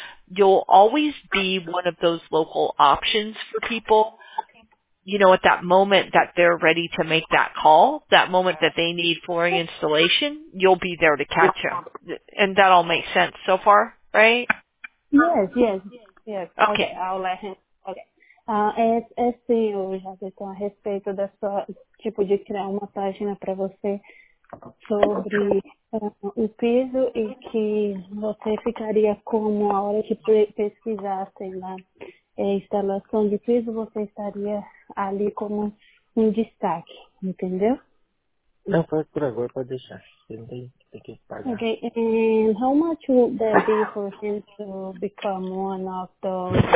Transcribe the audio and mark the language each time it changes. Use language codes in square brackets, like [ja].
[en] You'll always be one of those local options for people, you know, at that moment that they're ready to make that call, that moment that they need flooring installation, you'll be there to catch them. And that all makes sense so far, right? Yes. Okay. Okay, I'll let him. Okay. [pt] Sim, eu já disse a respeito da sua, tipo, de criar uma página para você sobre o piso e que você ficaria como a hora que pesquisassem lá a instalação de piso, você estaria ali como um destaque, entendeu? Não, foi por agora, pode deixar. Tem que pagar. [en] Okay, and how much would that be for him to become one of those